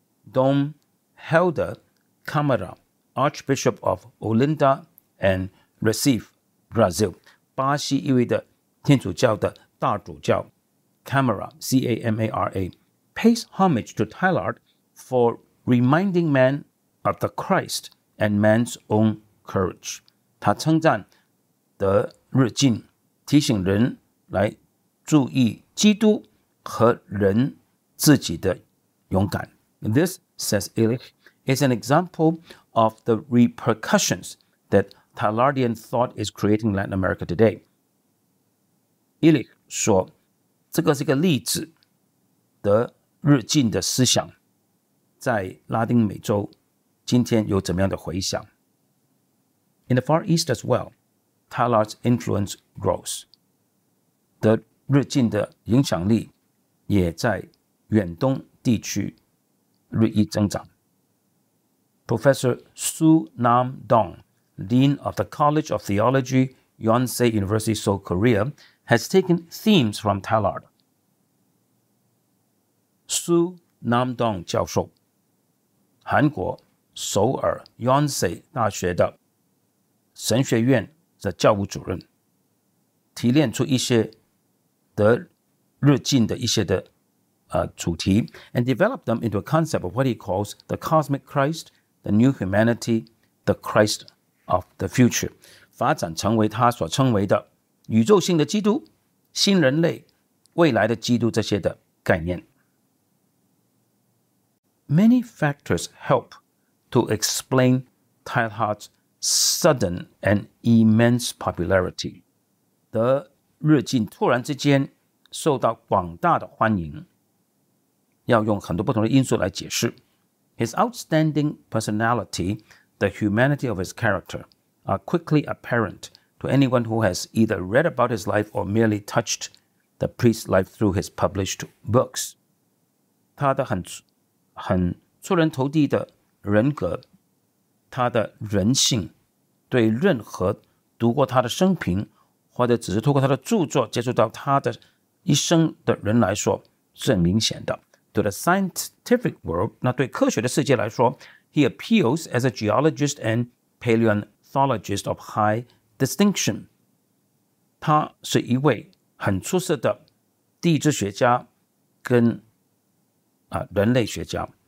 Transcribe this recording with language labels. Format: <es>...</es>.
<en>Dom Helder Camara, Archbishop of Olinda and Recife, Brazil,</en> <zh>巴西一位的天主教的大主教 Camara,</zh> <en>C-A-M-A-R-A, pays homage to Teilhard for reminding man of the Christ and man's own courage.</en> <zh>他称赞德日进提醒人来注意基督和人自己的勇敢。</zh> <en>This, says Illich, is an example of the repercussions that Talardian thought is creating Latin America today.</en> <zh>Illich 说，这个是一个例子，德日进的思想在拉丁美洲今天有怎么样的回响。</zh> <en>In the Far East as well, Talard's influence grows.</en> <zh>德日进的影响力也在远东地区日益增长。</zh> <en>Professor Su Nam Dong, Dean of the College of Theology, Yonsei University, Seoul, Korea, has taken themes from Talard.</en> <zh>Su Nam Dong 教授，韩国首尔 Yonsei 大学的神学院的教务主任，提炼出一些德日进的一些的主题</zh> <en>，and develop them into a concept of what he calls the cosmic Christ, the new humanity, the Christ of the future.</en> <zh>发展成为他所称为的宇宙性的基督、新人类、未来的基督这些的概念。</zh> <en>Many factors help to explain Teilhard's sudden and immense popularity.</en> <zh>德日进突然之间受到广大的欢迎。要用很多不同的因素来解释。</zh> <en>His outstanding personality, the humanity of his character, are quickly apparent to anyone who has either read about his life or merely touched the priest's life through his published books.</en> <zh>他的 很出人头地的人格，他的人性，对任何读过他的生平，或者只是透过他的著作接触到他的一生的人来说，是很明显的。</zh> <en>To the scientific world,</en> <zh>那对科学的世界来说</zh> <en>he appeals as a geologist and paleontologist of high distinction.</en> <zh>他是一位很出色的地质学家跟人类学家。</zh>